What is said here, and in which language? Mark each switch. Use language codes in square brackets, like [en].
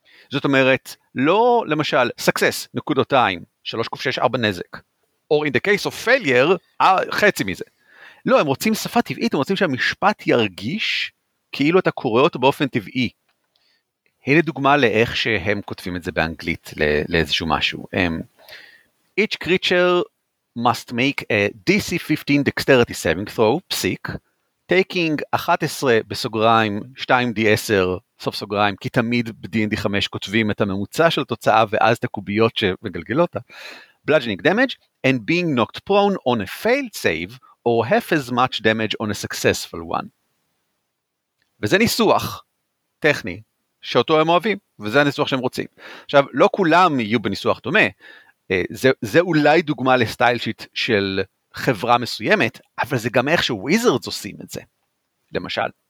[he] זאת אומרת, לא למשל סקסס נקודותיים, 3-6-4 נזק, [en] or in the case of failure, [he] חצי מזה. לא, הם רוצים שפה טבעית, הם רוצים שהמשפט ירגיש כאילו אתה קורא אותו באופן טבעי. הנה דוגמה לאיך שהם כותבים את זה באנגלית לאיזשהו משהו. [en] Each creature must make a DC 15 dexterity saving throw, [he] פסיק, [en] taking 11 [he] בסוגריים, [en] 2D10, [he] סוף סוגריים, כי תמיד ב-D&D 5 כותבים את הממוצע של התוצאה, ואז את הקוביות שמגלגלו אותה, [en] bludgeoning damage, and being knocked prone on a failed save, or half as much damage on a successful one. [he] וזה ניסוח טכני, שאותו הם אוהבים, וזה הניסוח שהם רוצים. עכשיו, לא כולם יהיו בניסוח דומה, זה אולי דוגמה לסטייל שיט של חברה מסוימת, אבל זה גם איך שוויזרדס עושים את זה, למשל.